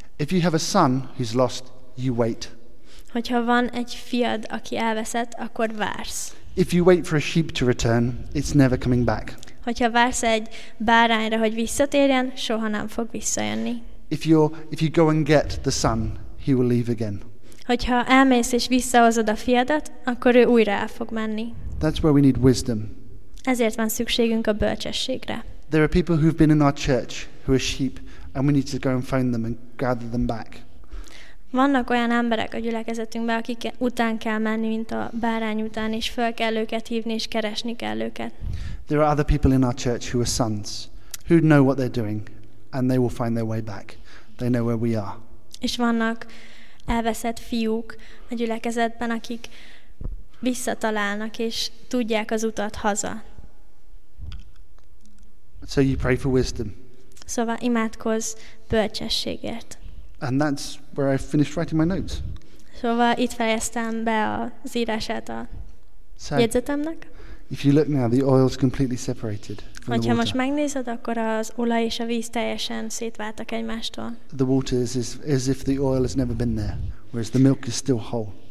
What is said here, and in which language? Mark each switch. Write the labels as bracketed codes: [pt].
[en] If you have a son who's lost, you wait. [hu] Hogyha van egy fiad, aki elveszett, akkor vársz. [en] If you wait for a sheep to return, it's never coming back. [hu] Hogyha vársz egy bárányra, hogy visszatérjen, soha nem fog visszajönni. [en] If you go and get the son, he will leave again. [hu] Hogyha elmész és visszahozod a fiadat, akkor ő újra el fog menni. [en] That's where we need wisdom. [hu] Ezért van szükségünk a bölcsességre. [en] There are people who've been in our church who are sheep, and we need to go and find them and gather them back. [hu] Vannak olyan emberek a gyülekezetünkben, akik után kell menni, mint a bárány után, és föl kell őket hívni, és keresni kell őket. [en] There are other people in our church who are sons, who know what they're doing, and they will find their way back. They know where we are. [hu] És vannak elveszett fiúk a gyülekezetben, akik visszatalálnak és tudják az utat haza. [en] So you pray for wisdom. [hu] Szóval imádkozz bölcsességért. [en] And that's where I finished writing my notes. [hu] Szóval itt fejeztem be az írását a jegyzetemnek. [en] If you look now, the oil is completely separated from the water. [hu] Hogyha most megnézed, akkor az olaj és a víz teljesen szétváltak egymástól. [en] The water is as if the oil has never been there, whereas the milk is still whole.